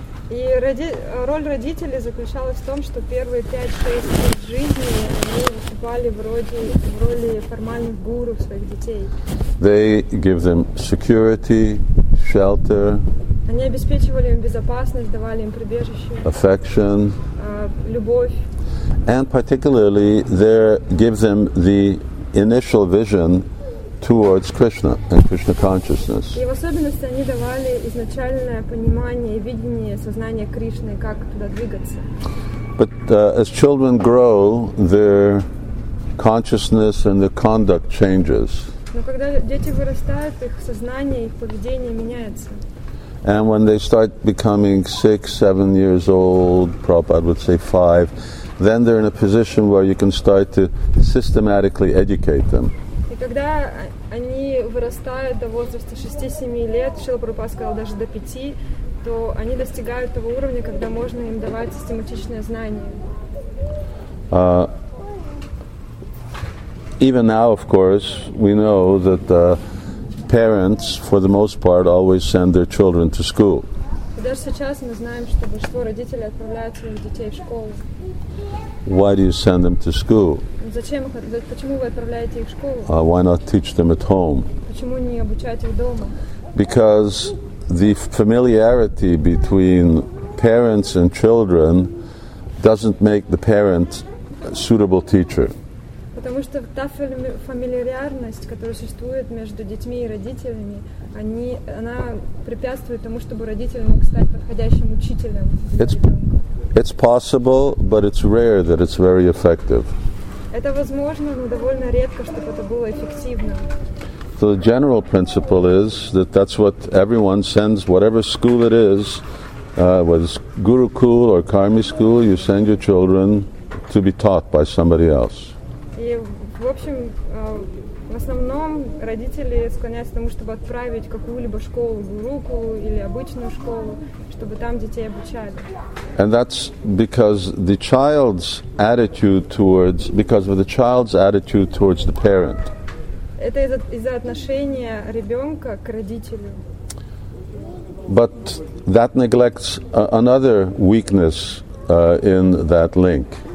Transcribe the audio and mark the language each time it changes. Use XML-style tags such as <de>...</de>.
<ru>И роль родителей заключалась в том, что первые 5-6 лет жизни они выступали в роли формальных гуру своих детей.</ru> <en>They give them security, shelter.</en> <ru>Они обеспечивали им безопасность, давали им прибежище.</ru> <en>Affection.</en> <ru>любовь.</ru> <en>And particularly there gives them the initial vision towards Krishna and Krishna consciousness.</en> <ru>И в особенности они давали изначальное понимание и видение сознания Кришны, как туда двигаться.</ru> <en>But as children grow, their consciousness and their conduct changes.</en> <ru>Но когда дети вырастают, их сознание, их поведение меняется.</ru> <en>And when they start becoming 6-7 years old, Prabhupada would say 5, then they're in a position where you can start to systematically educate them.</en> <ru>И когда они вырастают до возраста 6-7 лет, Шрила Прабхупада сказал даже до 5, то они достигают того уровня, когда можно им давать систематичное знание.</ru> <en>Even now, of course, we know that parents, for the most part, always send their children to school.</en> <ru>Даже сейчас мы знаем, что большинство родителей отправляют своих детей в школу.</ru> <en>Why do you send them to school?</en> <ru>Зачем их, почему вы отправляете их в школу?</ru> <en>Why not teach them at home?</en> <ru>Почему не обучать их дома?</ru> <en>Because the familiarity between parents and children doesn't make the parent a suitable teacher.</en> <ru>Потому что та фамильярность, которая существует между детьми и родителями, она препятствует тому, чтобы родитель мог стать подходящим учителем для ребенка.</ru> <en>It's possible, but it's rare that it's very effective.</en> <ru>Это возможно, но довольно редко, чтобы это было эффективно.</ru> <en>So the general principle is that that's what everyone sends, whatever school it is, whether it's Gurukul or Karmi school, you send your children to be taught by somebody else.</en> <ru>И, в общем, в основном родители склоняются к тому, чтобы отправить какую-либо школу, гуруку или обычную школу, чтобы там детей обучали.</ru> <en>And that's because the child's attitude towards, because of the child's attitude towards the parent.</en> <ru>Это из-за отношения ребенка к родителю.</ru> <en>But that neglects another weakness in that link.</en>